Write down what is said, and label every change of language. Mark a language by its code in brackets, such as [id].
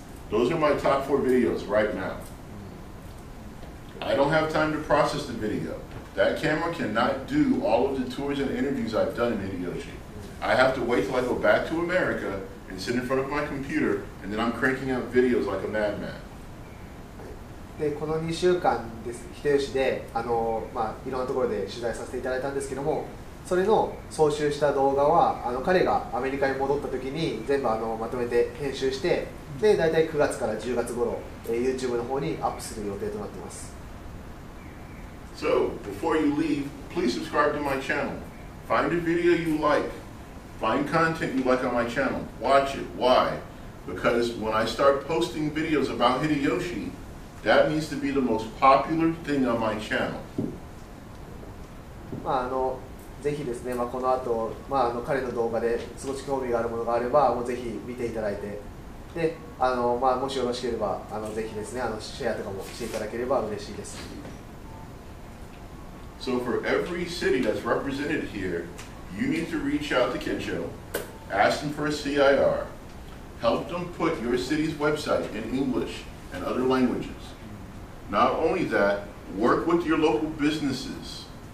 [en] Those are my top four videos right now. I don't have time to process the video. That camera cannot do all of the tours and interviews I've done in Hideyoshi. I have to wait till I go back to America and sit in front of my computer, and then I'm cranking out videos like a madman. [ja] でこの2週間です、Hideyoshi で、まあ、いろんなところで取材させていただいたんですけども、それの総集した動画は、彼がアメリカに戻った時に全部まとめて編集して、で大体9月から10月頃、YouTube の方にアップする予定となっています。 [en] So, before you leave, please subscribe to my channel. Find a video you like. Find content you like on my channel. Watch it. Why? Because when I start posting videos about Hideyoshi, that needs to be the most popular thing on my channel. [ja] まあ、ぜひですね、まあ、この後、まあ、彼の動画で少し興味があるものがあればもうぜひ見ていただいて、で、まあ、もしよろしければぜひですね、シェアとかもしていただければ嬉しいです。 [en] So for every city that's represented here, you need to reach out to Kensho, ask them for a CIR, help them put your city's website in English and other languages. Not only that, work with your local businesses.